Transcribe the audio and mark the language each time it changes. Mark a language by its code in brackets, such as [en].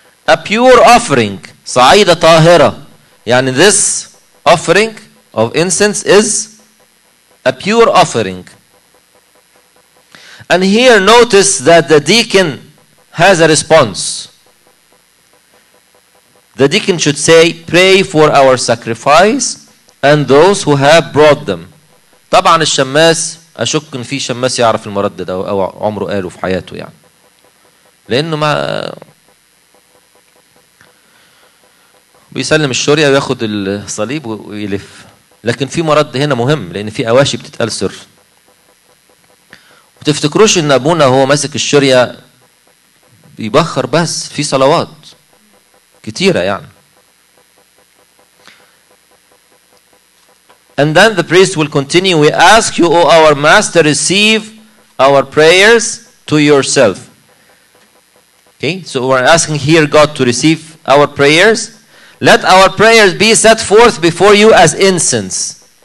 [en] A pure offering [ar] صعيدة طاهرة يعني [en] this offering of incense is a pure offering And here notice that the deacon has a response. The deacon should say, pray for our sacrifice and those who have brought them. [ar] طبعا الشماس اشك ان في شماس يعرف المردد او عمره قاله في حياته يعني. لانه ما بيسلم الشوريه وياخد الصليب ويلف. لكن في مرد هنا مهم لان في اواشي بتتقال سر. وتفتكروش ان ابونا هو ماسك الشوريه يبخر بس في صلوات كتيرة يعني [en] And then the priest will continue We ask you O our master receive our prayers to yourself Okay so we're asking here God to receive our prayers Let our prayers be set forth before you as incense